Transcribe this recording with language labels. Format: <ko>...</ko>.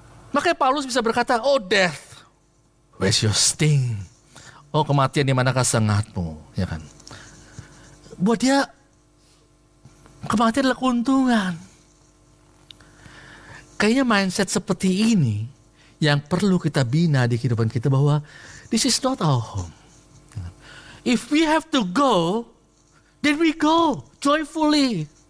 <id>Makanya Paulus bisa berkata,</id> <en>oh death, where's your sting?</en> <id>Oh kematian, di manakah sengatmu? Ya kan? Buat dia, kematian adalah keuntungan. Kayaknya mindset seperti ini yang perlu kita bina di kehidupan kita, bahwa</id> <en>this is not our home. If we have to go, then we go joyfully.</en>